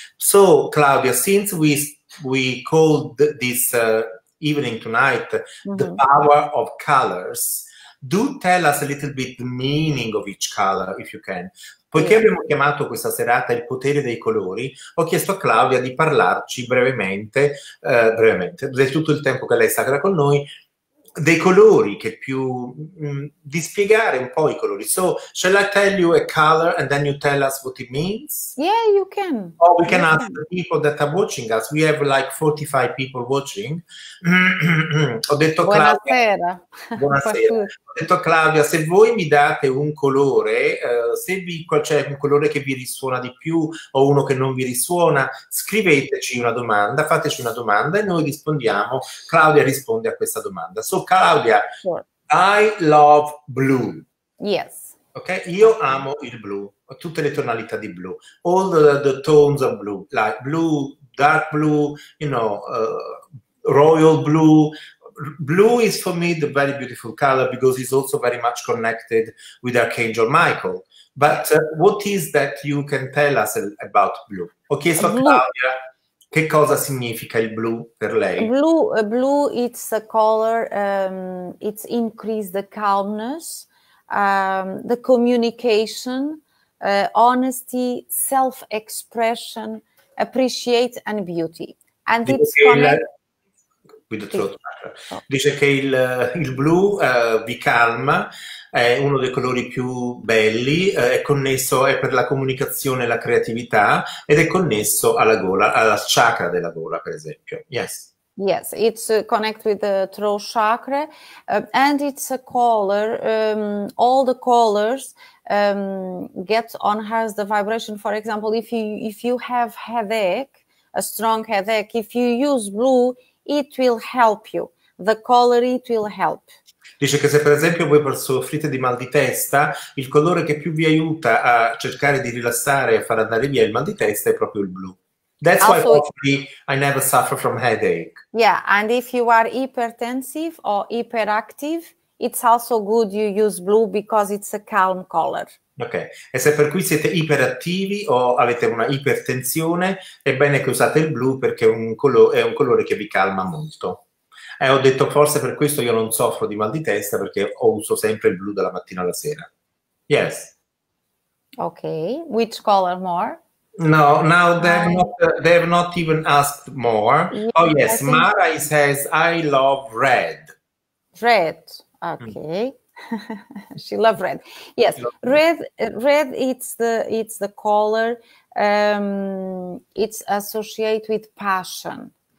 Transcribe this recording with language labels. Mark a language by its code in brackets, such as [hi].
[en] So, Claudia, since we called this evening tonight, the power of colors. Do tell us a little bit the meaning of each color, if you can. [it] Poiché abbiamo chiamato questa serata il potere dei colori, ho chiesto a Claudia di parlarci brevemente, del tutto il tempo che lei sta con noi, dei colori che più, di spiegare un po' i colori. [en] So, shall I tell you a color and then you tell us what it means? Or we can ask the people that are watching us. We have like 45 people watching. [it] Ho detto Claudia. Buonasera. Buonasera. Ho detto a Claudia, se voi mi date un colore, se c'è un colore che vi risuona di più o uno che non vi risuona, scriveteci una domanda, fateci una domanda e noi rispondiamo. Claudia risponde a questa domanda. [en] So, Claudia, Sure. I love blue. Yes. Ok? [it] Io amo il blu, tutte le tonalità di blu, [en] all the tones of blue, like blue, dark blue, royal blue. Blue is for me the very beautiful color because it's also very much connected with Archangel Michael. But what is that you can tell us about blue? [it] Ho chiesto a [en] Blue. [it] Claudia che cosa significa il blu per lei. [en] Blue, it's a color, it's increase the calmness, the communication, honesty, self-expression, appreciate and beauty. And it's connected. [it] Dice che il blu vi calma, è uno dei colori più belli, è connesso, è per la comunicazione e la creatività ed è connesso alla gola, alla chakra della gola, per esempio. [en] Yes, it's connected with the throat chakra, and it's a color. All the colors get enhance the vibration. For example, if you have headache, a strong headache, if you use blue, it will help you. The color it will help. [it] Dice che se per esempio voi soffrite di mal di testa, il colore che più vi aiuta a cercare di rilassare e a far andare via il mal di testa è proprio il blu. [en] That's why often I never suffer from headache. Yeah, and if you are hypertensive or hyperactive, it's also good you use blue because it's a calm color. [it] Ok, e se per cui siete iperattivi o avete una ipertensione, è bene che usate il blu perché è un colore che vi calma molto. Ho detto forse per questo io non soffro di mal di testa perché uso sempre il blu dalla mattina alla sera. [en] Yes. Ok, which color more? No, now they have not even asked more. Yeah, oh yes, Mara says I love red. Red, ok. She loves red. Yes, red it's the color, it's associated with passion.